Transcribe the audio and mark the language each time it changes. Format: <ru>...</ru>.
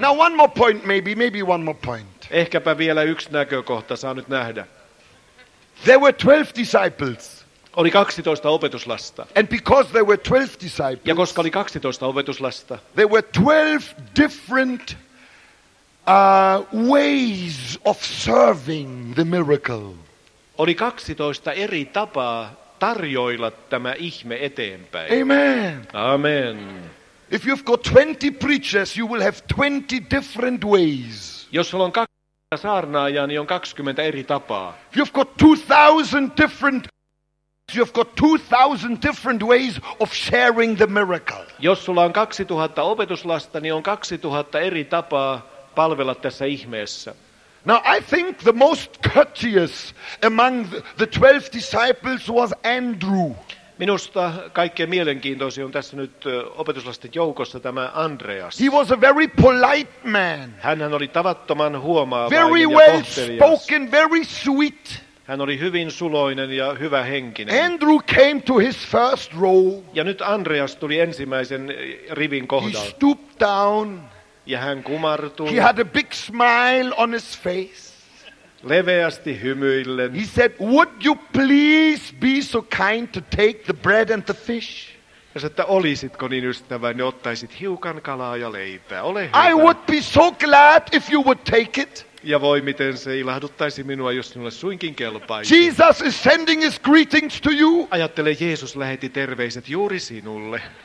<en>Now one more point maybe one more point.</en> <fi>Ehkäpä vielä yksi näkökohta saa nyt nähdä.</fi> <en>There were 12 disciples.</en> <fi>Oli 12 opetuslasta.</fi> <en>And because there were 12 disciples.</en> <fi>Ja koska oli 12 opetuslasta.</fi> <en>There were 12 different ways of serving the miracle.</en> <fi>Oli 12 eri tapaa tarjoilla tämä ihme eteenpäin.</fi> <en>Amen.</en> <fi>Amen.</fi> <en>If you've got 20 preachers, you will have 20 different ways.</en> <fi>Jos sulla on 20 saarnaajaa, niin on 20 eri tapaa.</fi> <en>If you've got 2000 different You've got 2000 different ways of sharing the miracle.</en> <fi>Jos sulla on 2000 opetuslasta, niin on 2000 eri tapaa palvella tässä ihmeessä.</fi> <en>Now I think the most courteous among the 12 disciples was Andrew.</en> <fi>Minusta kaikkein mielenkiintoisin on tässä nyt opetuslasten joukossa tämä Andreas.</fi> <en>He was a very polite man.</en> <fi>Hänhän oli tavattoman huomaavainen</fi> <en>very</en> <fi>ja</fi> <en>well</en> <fi>kohtelias.</fi> <en>Very well spoken, very sweet.</en> <fi>Hän oli hyvin suloinen ja hyvä henkinen.</fi> <en>Andrew came to his first row.</en> <fi>Ja nyt Andreas tuli ensimmäisen rivin kohdalla.</fi> <en>He stooped down.</en> <fi>Ja hän kumartui.</fi> <en>He had a big smile on his face.</en> <fi>Leveästi hymyillen.</fi> <en>He said, "Would you please be so kind to take the bread and the fish?"</en> <fi>Ja sanoi, että olisitko niin ystävä, niin ottaisit hiukan kalaa ja leipää. Ole hyvä.</fi> <en>I would be so glad if you would take it.</en> <fi>Ja voi miten se ilahduttaisi minua, jos sinulle suinkin kelpaisi.</fi> <en>Jesus is sending his greetings to you.</en> <fi>Ajattele, Jeesus lähetti terveiset juuri sinulle.</fi>